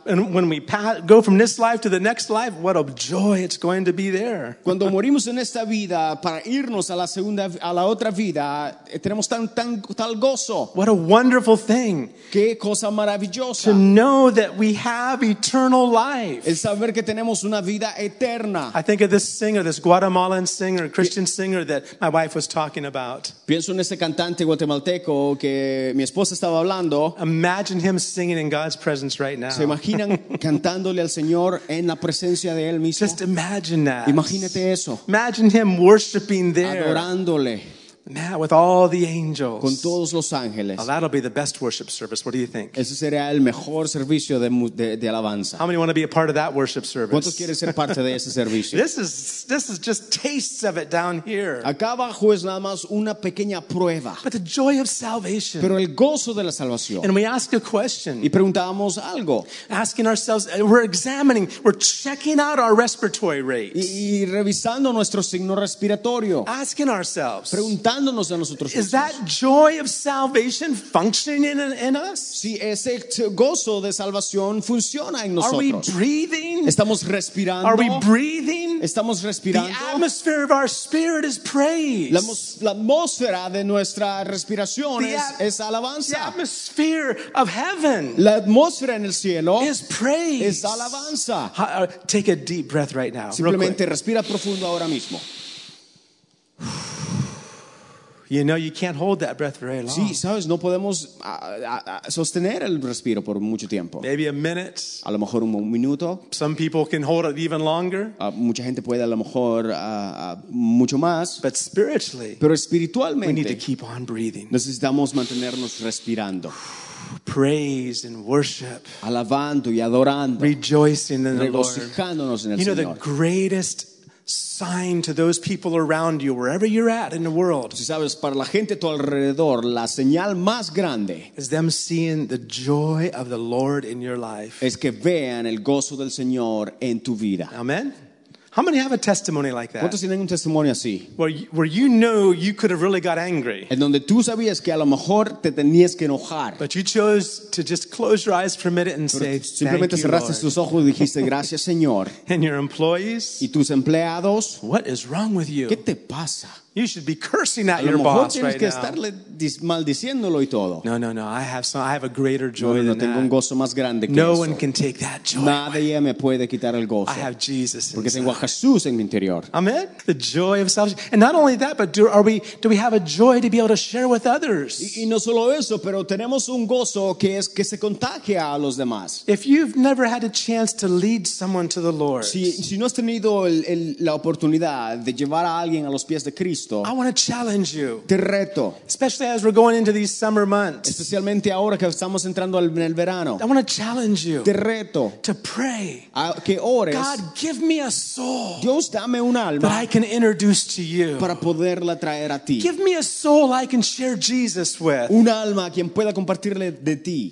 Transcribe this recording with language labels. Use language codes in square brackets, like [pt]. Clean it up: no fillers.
[en] And when we go from this life to the next life, what a joy it's going to be there. [es] Cuando morimos en esta vida para irnos a la segunda, a la otra vida, tenemos tal gozo. [en] What a wonderful thing. [es] Qué cosa maravillosa. [en] To know that we have eternal life. [es] El saber que tenemos una vida eterna. [en] I think of this singer, this Guatemalan singer, Christian singer that my wife was talking about. [es] Pienso en ese cantante guatemalteco que mi esposa estaba hablando. [en] Imagine him singing in God's presence right now. [es] Se imaginan cantándole al Señor en la presencia de él mismo. [en] Just imagine that. [es] Imagínate eso. [en] Imagine him worshiping there. [es] Adorándole. [en] Now with all the angels. [es] Con todos los ángeles. [en] Oh, that'll be the best worship service. What do you think? [es] Ese sería el mejor servicio de alabanza. [en] How many want to be a part of that worship service? [es] ¿Cuántos quieren ser parte de ese servicio? [en] This is just tastes of it down here. [es] Acá abajo es nada más una pequeña prueba. [en] But the joy of salvation. [es] Pero el gozo de la salvación. [en] And we ask a question. [es] Y preguntábamos algo. [en] Asking ourselves, we're examining, we're checking out our respiratory rates. [es] Y revisando nuestro signo respiratorio. [en] Asking ourselves. [es] Preguntándonos a nosotros mismos. [en] Is that joy of salvation functioning in us? [es] Si ese gozo de salvación funciona en nosotros. [en] Are we breathing? [es] Estamos respirando. [en] Are we breathing? [es] Estamos respirando. [en] The atmosphere of our spirit is praise. [es] La atmósfera de nuestra respiración es alabanza. [en] The atmosphere of heaven. [es] La atmósfera en el cielo [en] is praise. [es] Es alabanza. [en] Take a deep breath right now. [es] Simplemente respira profundo ahora mismo. [en] You know you can't hold that breath very long. [es] Sí, sabes, no podemos sostener el respiro por mucho tiempo. [en] Maybe a minute. [es] A lo mejor un minuto. [en] Some people can hold it even longer. [es] Mucha gente puede a lo mejor mucho más. [en] But spiritually. [es] Pero espiritualmente. [en] We need to keep on breathing. [es] Necesitamos mantenernos respirando. [en] Praise and worship. [es] Alabando y adorando. [en] Rejoicing in the Lord. [es] Regocijándonos en el Señor. [en] You know the greatest sign to those people around you, wherever you're at in the world. [es] Si sabes, para la gente a tu alrededor, la señal más grande [en] is them seeing the joy of the Lord in your life. [es] Es que vean el gozo del Señor en tu vida. [en] Amen. How many have a testimony like that? [es] ¿Cuántos tienen un testimonio así? [en] Where you know you could have really got angry. [es] En donde tú sabías que a lo mejor te tenías que enojar. [en] But you chose to just close your eyes for a minute and say, thank you, Lord. [es] Simplemente cerraste tus ojos y dijiste, gracias, Señor. [en] And your employees. [es] Y tus empleados. [en] What is wrong with you? [es] ¿Qué te pasa? [en] You should be cursing at your boss right now. [es] A lo mejor tienes que estarle maldiciéndolo y todo. [en] No. I have a greater joy than that. [es] No, tengo un gozo más grande que no eso. [en] One can take that joy. [es] Nadie me puede quitar el gozo. [en] I have Jesus. [es] Porque tengo a Jesús en mi interior. [en] Amen. The joy of salvation. And not only that, but do we have a joy to be able to share with others? [es] Y no solo eso, pero tenemos un gozo que se contagia a los demás. [en] If you've never had a chance to lead someone to the Lord. [es] Si no has tenido la oportunidad de llevar a alguien a los pies de Cristo. [en] I want to challenge you. [es] Te reto. [en] Especially as we're going into these summer months. [es] Especialmente ahora que estamos entrando en el verano. [en] I want to challenge you. [es] Te reto. [en] To pray. [es] Que ores. [en] God, give me a soul. [es] Dios, dame un alma. [en] That I can introduce to you. [es] Para poderla traer a ti. [en] Give me a soul I can share Jesus with. [es] Un alma a quien pueda compartirle de ti.